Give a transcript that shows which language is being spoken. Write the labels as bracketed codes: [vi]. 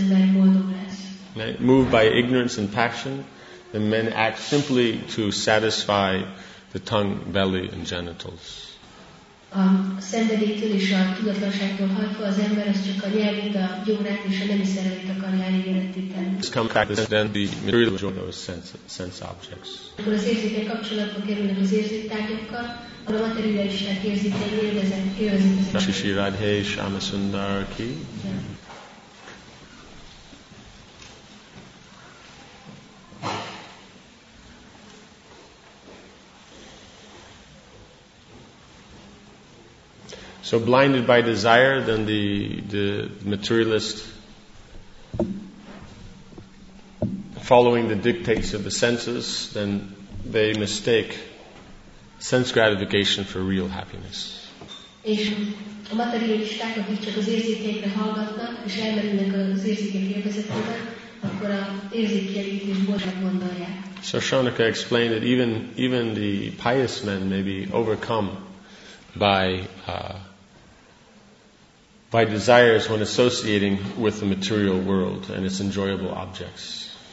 [en] Moved by ignorance and passion, the men act simply to satisfy the tongue, belly, and genitals. [hu] A szenvedéktől és a tudatlanságtól hajtva az ember az csak a nyelvét, a gyomrát és a nemi szerveit akarja elégedetíteni. [en] This comes back to then the material joy of sense objects. [hu] Akkor az érzékek kapcsolatba kerülnek az érzéktárgyakkal, a materiális érzékek élvezik. Nashishi Radhe Shamasundar ki. [en] So blinded by desire, then the materialist, following the dictates of the senses, then they mistake sense gratification for real happiness. [hu] És a materialisták, akik csak az érzékeikre hallgatnak, és elmerülnek az érzékek élvezetébe, akkor az érzékeik is boldog gondolják. [en] So Shonaka explained that even the pious men may be overcome by by desires when associating with the material world and its enjoyable objects.